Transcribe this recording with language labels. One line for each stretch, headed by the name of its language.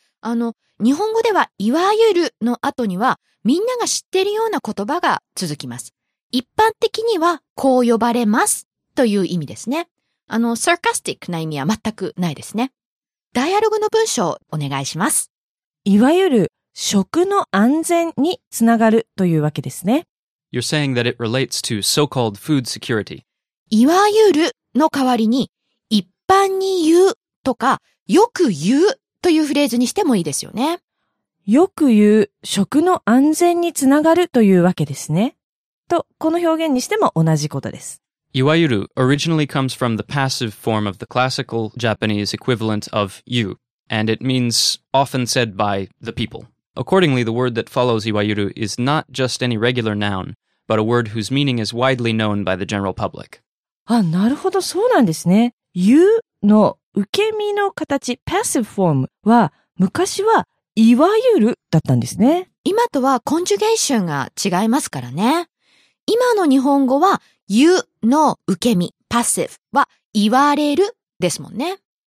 Japanese: 日本語ではいわゆるの後にはみんなが知ってるような言葉が続きます。一般的にはこう呼ばれますという意味ですね。 sarcastic な意味は全くないですね。ダイアログの文章をお願いします。いわゆる食の安全につながるというわけですね。 You're saying that it relates to so-called food security. いわゆるの代わりに一般に言うとかよく言うというフレーズにしてもいいですよね。よく言う食の安全につながるというわけですね。と、この表現にしても同じことです。
English: いわゆる originally comes from the passive form of the classical Japanese equivalent of you, and it means often said by the people. Accordingly, the word that follows いわゆる is not just any regular noun, but a word whose meaning is widely known by the general public.
Japanese: あ、なるほど、そうなんですね。言うの受け身の形、passive form は昔はいわゆるだったんですね。今とはコンジュゲーションが違いますからね。今の日本語は言うの受け身、passive は言われるですもんね。